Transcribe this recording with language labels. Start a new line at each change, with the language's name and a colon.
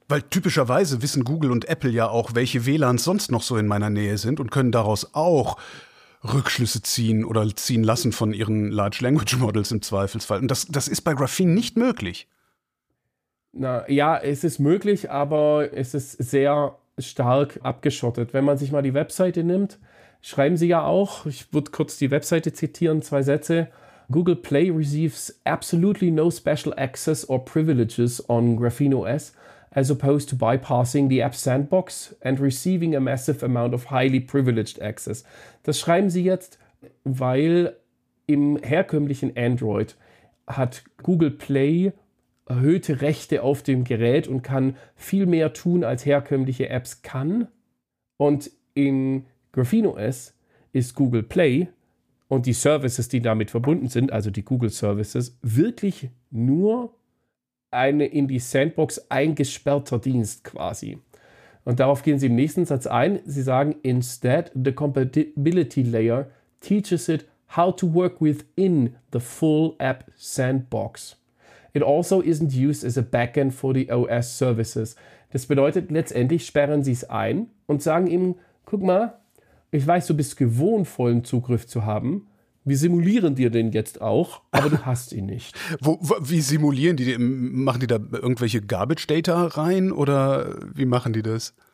German: Weil typischerweise wissen Google und Apple ja auch, welche WLANs sonst noch so in meiner Nähe sind und können daraus auch Rückschlüsse ziehen oder ziehen lassen von ihren Large Language Models im Zweifelsfall. Und das ist bei Graphene nicht möglich. Na ja, es ist möglich, aber es ist sehr stark abgeschottet. Wenn man sich mal die Webseite nimmt, schreiben Sie ja auch, ich würde kurz die Webseite zitieren, zwei Sätze.
English: Google Play receives absolutely no special access or privileges on Graphene OS as opposed to bypassing the app sandbox and receiving a massive amount of highly privileged access.
German: Das schreiben sie jetzt, weil im herkömmlichen Android hat Google Play erhöhte Rechte auf dem Gerät und kann viel mehr tun, als herkömmliche Apps kann. Und in Graphene OS ist Google Play und die Services, die damit verbunden sind, also die Google Services, wirklich nur eine in die Sandbox eingesperrter Dienst quasi. Und darauf gehen sie im nächsten Satz ein. Sie sagen,
English: instead, the compatibility layer teaches it how to work within the full app sandbox. It also isn't used as a backend for the OS services.
German: Das bedeutet, letztendlich sperren sie es ein und sagen ihm, guck mal, ich weiß, du bist gewohnt, vollen Zugriff zu haben. Wir simulieren dir den jetzt auch, aber du hast ihn nicht. Wie simulieren die? Machen die da irgendwelche Garbage-Data rein oder wie machen die das?